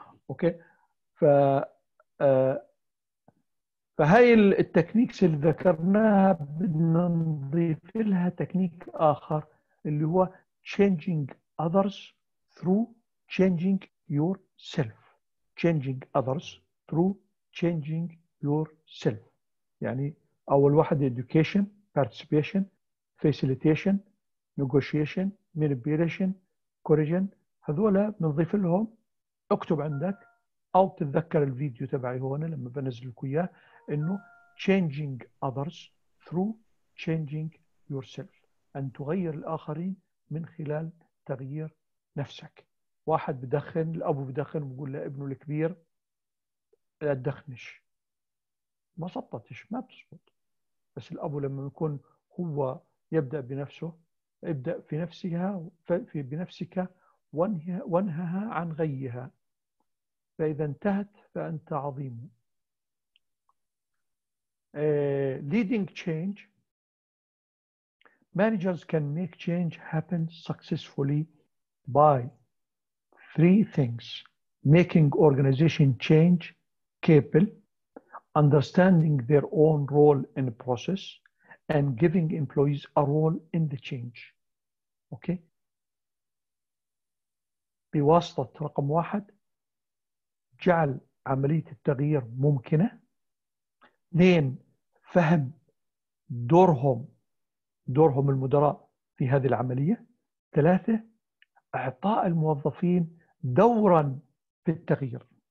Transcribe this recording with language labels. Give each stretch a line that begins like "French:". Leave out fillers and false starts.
Arabic: أوكي؟ فهاي التكنيكس اللي ذكرناها بدنا نضيف لها تكنيك آخر اللي هو
English: changing others through changing yourself. changing others through changing yourself.
Arabic: يعني أول واحد
English: education, participation, facilitation, negotiation, manipulation, coercion.
Arabic: هذولا بنضيف لهم. اكتب عندك أو تتذكر الفيديو تبعي هون لما بنزل لكم إياه، إنه
English: changing others through changing yourself،
Arabic: أن تغير الآخرين من خلال تغيير نفسك. واحد بدخن، الأب بدخن بقول لابنه الكبير لا تدخنش، ما سطتش ما بتسقط. بس الأب لما يكون هو يبدأ بنفسه، ابدأ في نفسها في بنفسك وانهها عن غيها، فإذا انتهت فأنت عظيم.
English: Leading change. Managers can make change happen successfully by three things: making organization change capable, understanding their own role in the process, and giving employees a role in the change. Okay?
Arabic: بواسطة رقم واحد، جعل عملية التغيير ممكنة. اثنين، فهم دورهم، دورهم المدراء في هذه العملية. ثلاثة، اعطاء الموظفين دورا في التغيير.